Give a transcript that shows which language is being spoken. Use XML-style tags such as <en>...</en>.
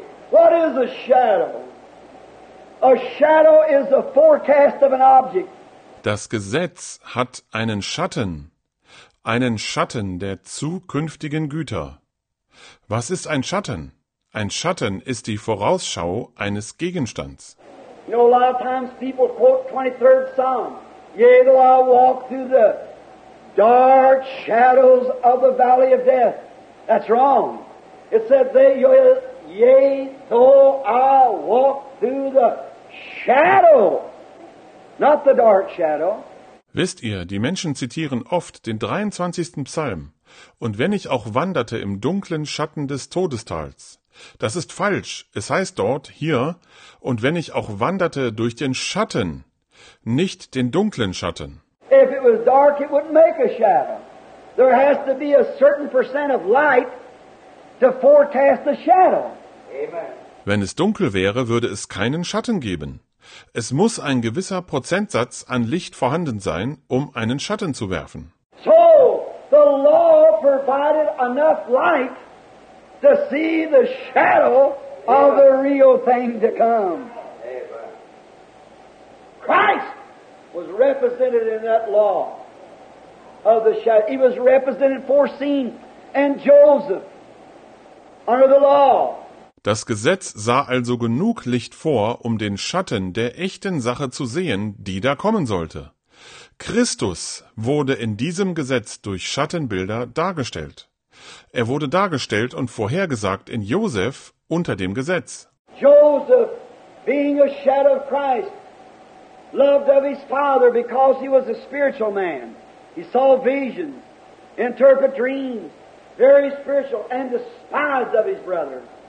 <en>What is a shadow? A shadow is a forecast of an object.</en> <de>Das Gesetz hat einen Schatten. einen Schatten der zukünftigen Güter. Was ist ein Schatten? Ein Schatten ist die Vorausschau eines Gegenstands.</de> <en>You know, a lot of times people quote 23rd Psalm. Yea, though I walk through the dark shadows of the valley of death. That's wrong. It said, yea, though I walk through the shadow, not the dark shadow.</en> <de>Wisst ihr, die Menschen zitieren oft den 23. Psalm. Und wenn ich auch wanderte im dunklen Schatten des Todestals. Das ist falsch. Es heißt dort, hier, und wenn ich auch wanderte durch den Schatten, nicht den dunklen Schatten.</de> <en>If it was dark, it wouldn't make a shadow. There has to be a certain percent of light to forecast the shadow. Amen.</en> <de>Wenn es dunkel wäre, würde es keinen Schatten geben. Es muss ein gewisser Prozentsatz an Licht vorhanden sein, um einen Schatten zu werfen.</de> <en>So, the law provided enough light to see the shadow of the real thing to come. Christ was represented in that law of the shadow. He was represented foreseen, and Joseph under the law.</en> <de>Das Gesetz sah also genug Licht vor, um den Schatten der echten Sache zu sehen, die da kommen sollte. Christus wurde in diesem Gesetz durch Schattenbilder dargestellt. Er wurde dargestellt und vorhergesagt in Joseph unter dem Gesetz.</de> <en>Joseph, being a shadow of Christ, loved of his father because he was a spiritual man. He saw visions, interpreted dreams, very spiritual, and despised of his brothers.</en>